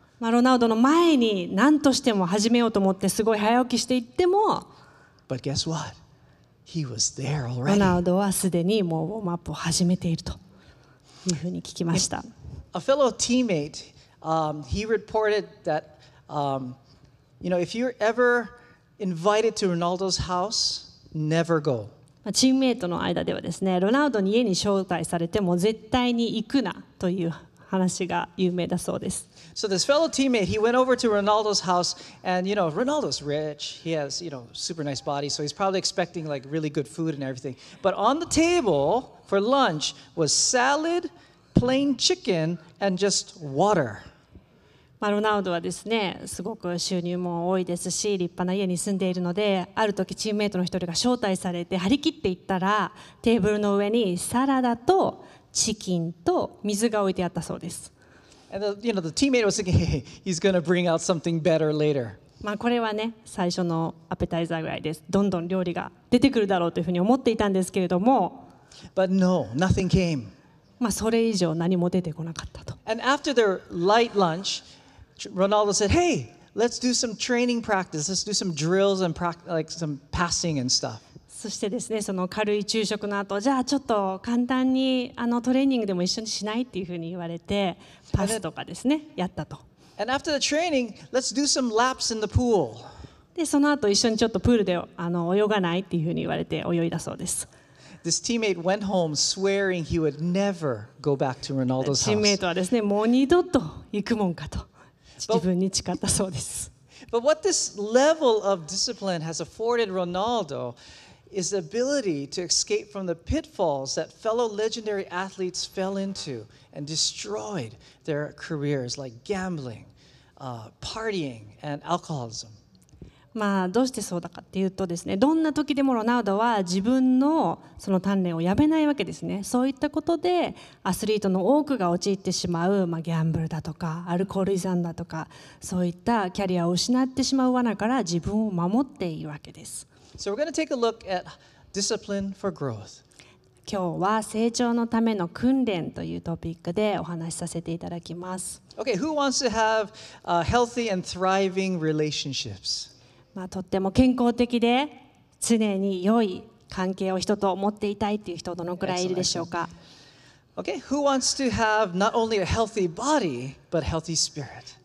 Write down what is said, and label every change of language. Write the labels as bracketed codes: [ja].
[ja] ロナウドの前に何としても始めようと思ってすごい早起きしていっても、 [en] But guess what? He was there already. [ja] ロナウドはすでにもうウォームアップを始めているというふうに聞きました。 [en] A fellow teammate, he reported that, you know, if you're ever invited to Ronaldo's house, never go. [ja] チームメイトの間ではですね、ロナウドに家に招待されても絶対に行くなという話が有名だそうです。 [en] So this fellow teammate, he went over to Ronaldo's house, and you know, Ronaldo's rich, he has, you know, super nice body, so he's probably expecting like really good food and everything. But on the table... For lunch was salad, plain chicken, and just water. [ja] まあ、ロナウドはですね、すごく収入も多いですし、立派な家に住んでいるので、ある時チームメイトの一人が招待されて張り切って行ったら、テーブルの上にサラダとチキンと水が置いてあったそうです。 [en] And the, you know, the teammate was thinking, hey, he's going to bring out something better later. [ja] まあ、これはね最初のアペタイザーぐらいです。どんどん料理が出てくるだろうというふうに思っていたんですけれども、 [en] But no, nothing came. [ja] まあそれ以上何も出てこなかったと。 [en] And after their light lunch, Ronaldo said, "Hey, let's do some training practice. Let's do some drills and like some passing and stuff." [ja] そしてですね、その軽い昼食の後、じゃあちょっと簡単にあのトレーニングでも一緒にしないっていうふうに言われて、パスとかですね、やったと。 [en] And after the training, let's do some laps in the pool. [ja] でその後一緒にちょっとプールで泳がないっていうふうに言われて泳いだそうです。 [en] This teammate went home swearing he would never go back to Ronaldo's house. [ja] チームメイトはですね、もう二度と行くもんかと自分に誓ったそうです。 [en] But what this level of discipline has afforded Ronaldo is the ability to escape from the pitfalls that fellow legendary athletes fell into and destroyed their careers, like gambling, partying, and alcoholism. [ja] まあどうしてそうだかっていうとですね、どんな時でもロナウドは自分のその鍛錬をやめないわけですね。そういったことでアスリートの多くが陥ってしまう、まあ、ギャンブルだとかアルコール依存だとか、そういったキャリアを失ってしまう罠から自分を守っているわけです。 [en] So we're going to take a look at discipline for growth. [ja] 今日は成長のための訓練というトピックでお話しさせていただきます。 [en] Okay, who wants to have healthy and thriving relationships? [ja] まあ、とっても健康的で常に良い関係を人と持っていたいという人どのくらいいるでしょうか。 [en] Okay. Who wants to have not only a healthy body, but healthy spirit?